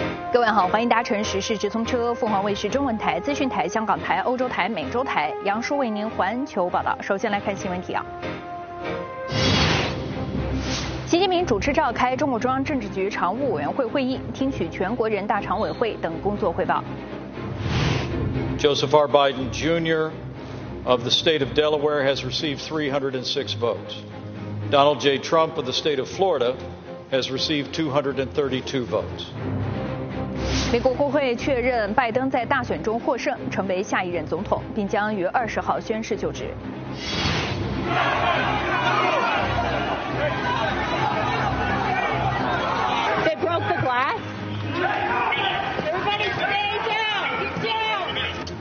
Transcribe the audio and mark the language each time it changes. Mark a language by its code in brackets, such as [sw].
[zh] 各位好，欢迎搭乘时事直通车，凤凰卫视中文台、资讯台、香港台、欧洲台、美洲台，杨叔为您环球报道。首先来看新闻提要。习近平主持召开中共中央政治局常务委员会会议，听取全国人大常委会等工作汇报。 [en] Joseph R. Biden Jr. of the state of Delaware has received 306 votes. Donald J. Trump of the state of Florida has received 232 votes. [zh] 美国国会确认拜登在大选中获胜，成为下一任总统，并将于20号宣誓就职。 [en] They broke the glass. Everybody stay down.